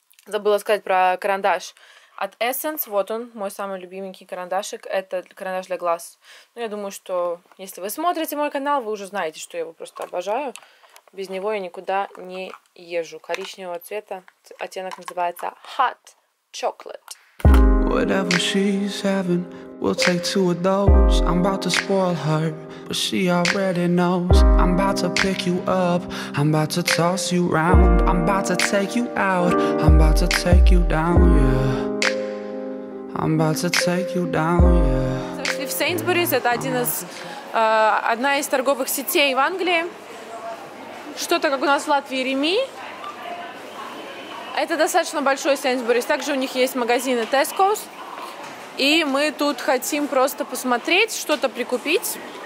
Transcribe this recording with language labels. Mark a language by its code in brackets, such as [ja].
[ru] Забыла сказать про карандаш от Essence, вот он, мой самый любименький карандашик. Это карандаш для глаз. Ну, я думаю, что если вы смотрите мой канал, вы уже знаете, что я его просто обожаю. Без него я никуда не езжу. Коричневого цвета. Оттенок называется Hot Chocolate. [en] Whatever she's having, we'll take two of those. I'm about to spoil her, but she already knows. I'm about to pick you up, I'm about to toss you round. I'm about to take you out, I'm about to take you down, yeah. I'm about to take you down, yeah. [ru] Зашли в Sainsbury's, это одна из торговых сетей в Англии. Что-то, как у нас в Латвии, Реми. Это достаточно большой Sainsbury's. Также у них есть магазины Tesco's. И мы тут хотим просто посмотреть, что-то прикупить.